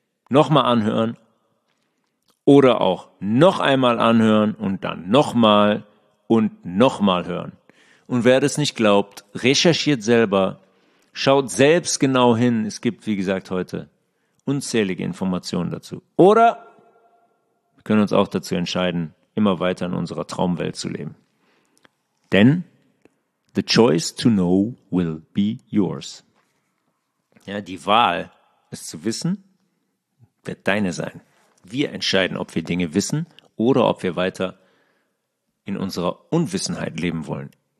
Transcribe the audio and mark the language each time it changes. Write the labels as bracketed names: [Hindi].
[German] Nochmal anhören oder auch noch einmal anhören und dann nochmal und nochmal hören. Und wer das nicht glaubt, recherchiert selber, schaut selbst genau hin. Es gibt, wie gesagt, heute unzählige Informationen dazu. Oder wir können uns auch dazu entscheiden, immer weiter in unserer Traumwelt zu leben. [English] Denn the choice to know will be yours. [German] Ja, die Wahl ist zu wissen, wird deine sein. Wir entscheiden, ob wir Dinge wissen oder ob wir weiter in unserer Unwissenheit leben wollen.